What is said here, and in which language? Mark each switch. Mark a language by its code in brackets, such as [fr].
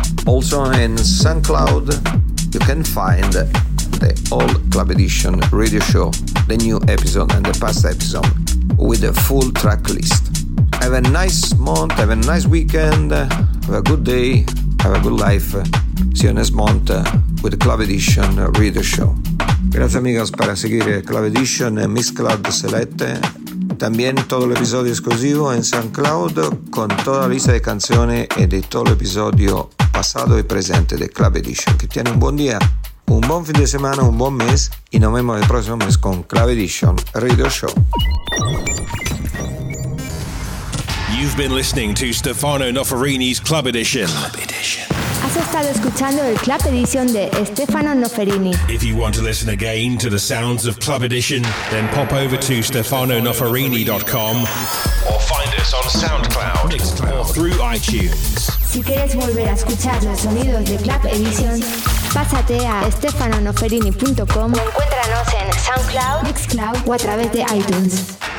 [en] Also in SoundCloud, you can find the all Club Edition radio show, the new episode and the past episode with a full track list. Have a nice month, have a nice weekend, have a good day, have a good life. See you next month with the Club Edition radio show. [es] Grazie amigos para seguir Club Edition and Mix Club Select. También todo el episodio exclusivo en SoundCloud con toda la lista de canciones y de todo el episodio pasado y presente de Club Edition. Que tiene un buen día, un buen fin de semana, un buen mes y nos vemos el próximo mes con Club Edition Radio Show. [en] You've been listening to Stefano Noferini's Club Edition. [es] Club Edition. Has estado escuchando el Club Edition de Stefano Noferini. [en] If you want to listen again to the sounds of Club Edition, then pop over to StefanoNoferini.com or find us on SoundCloud or through iTunes. [es] Si quieres volver a escuchar los sonidos de Club Edition, pásate a StefanoNoferini.com o encuéntranos en SoundCloud, Mixcloud o a través de iTunes.